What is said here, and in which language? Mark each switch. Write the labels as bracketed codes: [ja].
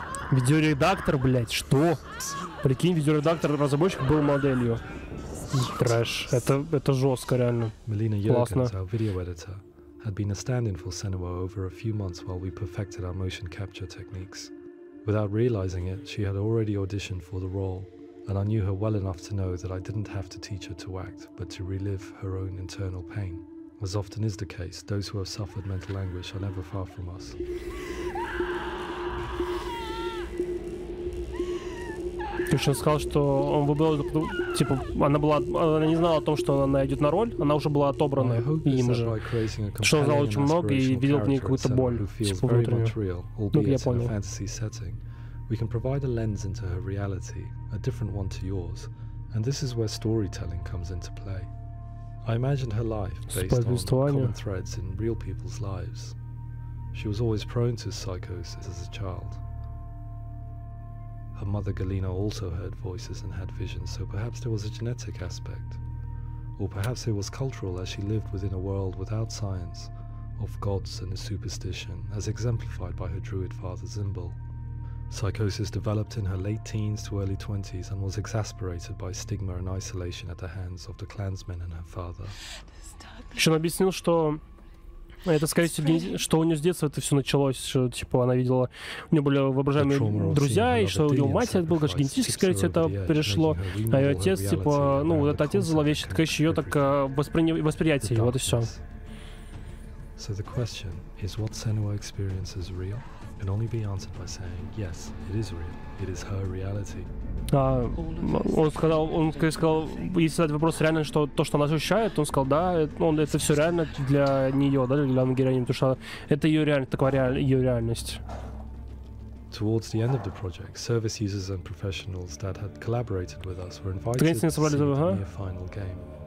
[ru] Видеоредактор, блять, что? Прикинь, видеоредактор разработчик был моделью. Трэш. Это жестко, реально. [en] Melina Jurgens, our video editor, had been a stand-in for Senua over a few months while we perfected our motion capture techniques. Without realizing it, she had already auditioned for the role, and I knew her well enough to know that I didn't have to teach her to act, but to relive her own internal pain. As often is the case, those who have suffered mental anguish are never far from us. [ru] То есть он сказал, что он выбрал, типа, она не знала о том, что она идет на роль, она уже была отобрана им же, что он знал очень много и видел в ней какую-то боль, типа, внутреннюю. Ну, я понял. [en] We can provide a lens into her reality, a different one to yours, and this is where storytelling comes into play. I imagined her life based on common threads in real people's lives. She was always prone to psychosis as a child. Her mother Galina also heard voices and had visions, so perhaps there was a genetic aspect. Or perhaps it was cultural, as she lived within a world without science, of gods and superstition, as exemplified by her druid father Zimbal. Psychosis developed in her late teens to early 20s and was exasperated by stigma and isolation at the hands of the clansmen and her father. [ru] Он объяснил, что это, скорее всего, что у нее с детства это все началось, что, типа, она видела, у нее были воображаемые друзья, и что у ее мать это было, конечно, генетически, скорее всего, это перешло, а ее отец, типа, ну, вот этот отец зловещий, это, конечно, ее так восприятие, вот и все. [en] So the question is, what Senua experience is real? Can only be answered by saying yes, it is real. It is her reality. [ru] Он сказал, если задать вопрос реально, что то, что она ощущает, он сказал, да, он это все реально для нее, да, для Ангерини, потому что это ее реальность, такая реальность. [en] Towards the end of the project, service users and professionals that had collaborated with us were invited to see the near final game.